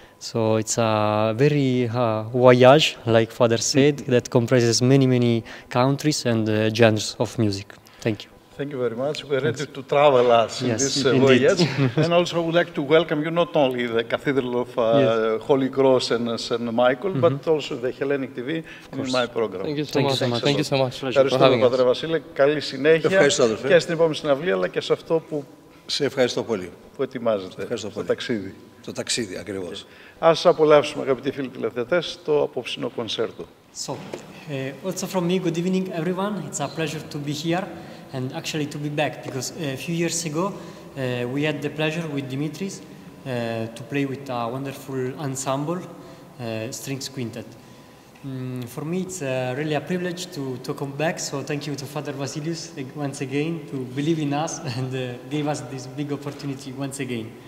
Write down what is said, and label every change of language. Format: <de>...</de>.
<en>So it's a very voyage, like Father said, that comprises many, many countries and genres of music. Thank you. Thank you very much. We're ready to travel us in this voyage. And also, I would like to welcome you not only the Cathedral of Holy Cross and St. Michael, but also the Hellenic TV in my program. Thank you so much. Thank you so much.</en> <el>Ευχαριστώ, Πατρε Βασίλη. Καλή συνέχεια. Ευχαριστώ, αδερφέ. Και στην επόμενη συναυλία, αλλά και σε αυτό που. Σε ευχαριστώ πολύ. Που ετοιμάζεται. Ευχαριστώ πολύ. Το ταξίδι. Το ταξίδι, ακριβώς. Ας απολαύσουμε, αγαπητοί φίλοι τηλεθεατές, το απόψινο κονσέρτο.</el> <en>So, also from me, good evening, everyone. It's a pleasure to be here. And actually to be back, because a few years ago we had the pleasure with Dimitris to play with a wonderful ensemble, Strings Quintet. For me it's really a privilege to come back, so thank you to Father Vasilius once again to believe in us and gave us this big opportunity once again.</en>